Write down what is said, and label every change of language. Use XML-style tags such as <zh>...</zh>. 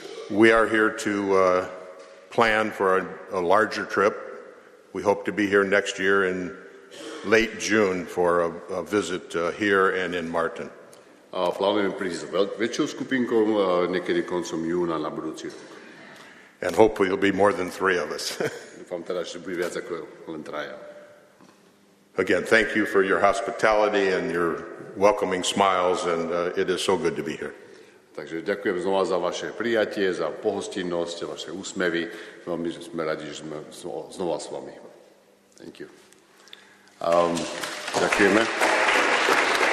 <en>We are here to plan for a larger trip. We hope to be here next year in late June for a visit here and in Martin.</en> <sk>Plánujeme prísť väčšou skupinkou niekedy koncom júna na budúci rok.</sk> <en>And hopefully it'll be more than 3 of us.</en> <sk>Dúfam teda, že bude viac ako len traja.</sk> <en>Again, thank you for your hospitality and your welcoming smiles, and it is so good to be here.</en> <sk>Takže ďakujem znova za vaše prijatie, za pohostinnosť, vaše úsmevy. Veľmi sme radi, že sme znova s vami.</sk> <en>Thank you.</en> <sk>Ďakujeme.</sk>